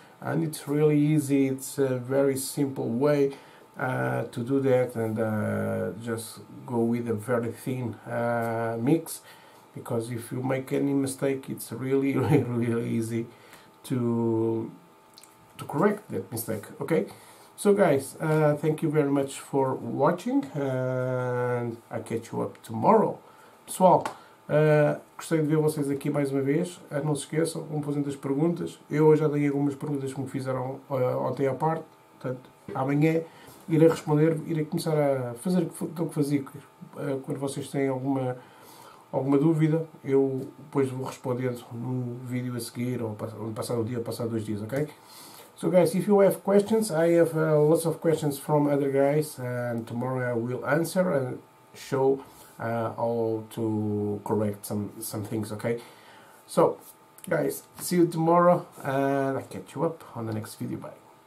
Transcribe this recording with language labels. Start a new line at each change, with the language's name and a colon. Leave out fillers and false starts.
English: And it's really easy, it's a very simple way to do that, and just go with a very thin mix, because if you make any mistake, it's really, really, really easy to correct that mistake. Okay, so guys, thank you very much for watching, and I catch you up tomorrow.
Portuguese: Pessoal, gostei de ver vocês aqui mais uma vez. Não se esqueçam, vão fazendo as perguntas. Eu já dei algumas perguntas que me fizeram ontem à parte. Portanto, amanhã irei responder, irei começar a fazer o que fazia. Quando vocês têm alguma dúvida, eu depois vou respondendo no vídeo a seguir, ou passar um dia, ou passar dois dias, ok?
English: So guys, if you have questions, I have lots of questions from other guys, and tomorrow I will answer and show all to correct some things. Okay, so guys, see you tomorrow, and I catch you up on the next video. Bye.